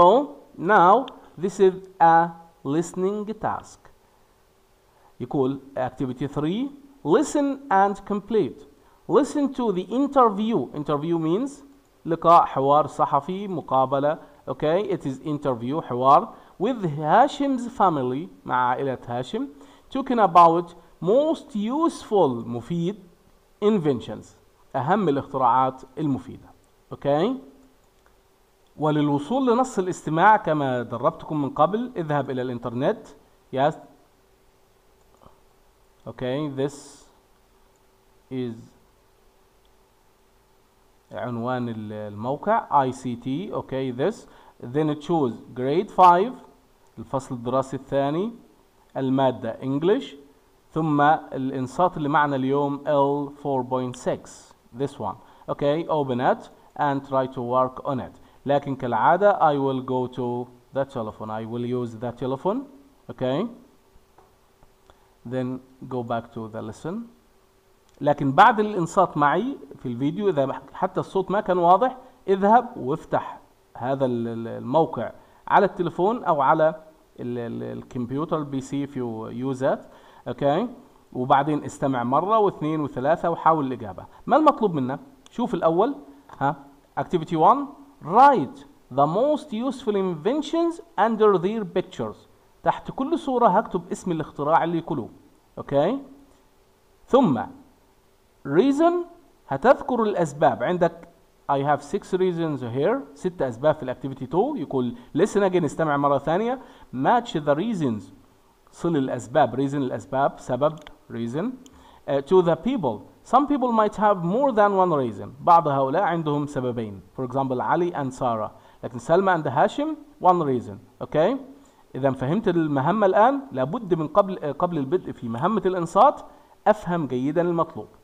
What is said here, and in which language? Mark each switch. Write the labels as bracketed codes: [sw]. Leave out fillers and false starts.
[en] Okay? So, now, this is a listening task. [ar] يقول [en] activity 3. Listen and complete. Listen to the interview. Interview means [ar] لقاء, حوار صحفي, مقابلة. [en] Okay? It is interview, [ar] حوار. [en] With Hashim's family, [ar] مع عائلة هاشم. [en] Talking about most useful, [ar] مفيد, [en] inventions. [ar] أهم الاختراعات المفيدة. [en] Okay. [ar] وللوصول لنص الاستماع كما دربتكم من قبل, اذهب إلى الإنترنت. [en] Yes. Okay. This is [ar] عنوان الموقع [en] ICT. Okay. This. Then choose grade 5, [ar] الفصل الدراسي الثاني, المادة English, ثم الإنصات اللي معنا اليوم L4.6. [en] This one. Okay. Open it and try to work on it. [ar] لكن كالعادة [en] I will go to the telephone. I will use the telephone. Okay. then go back to the lesson. [ar] لكن بعد الإنصات معي في الفيديو إذا حتى الصوت ما كان واضح اذهب وافتح هذا الموقع على التلفون أو على الكمبيوتر البي سي [en] if you use it. Okay. [ar] وبعدين استمع مرة واثنين وثلاثة وحاول الإجابة. ما المطلوب منا؟ شوف الأول ها. [en] Activity 1 write the most useful inventions under their pictures. [ar] تحت كل صورة هكتب اسم الاختراع اللي يقوله. [en] Okay. [ar] ثم reason هتذكر الأسباب. [en] عندك I have six reasons here. [ar] ست أسباب في الأكتيفيتي 2. يقول [en] listen again [ar] استمع مرة ثانية. [en] Match the reasons. [ar] صل الأسباب. Reason الأسباب. سبب. [en] Reason. To the people. Some people might have more than one reason. [ar] بعض هؤلاء عندهم سببين. [en] For example علي and Sarah. لكن سلمى and هاشم one reason. Okay. [ar] إذا فهمت المهمة الآن لابد من قبل البدء في مهمة الإنصات أفهم جيدا المطلوب.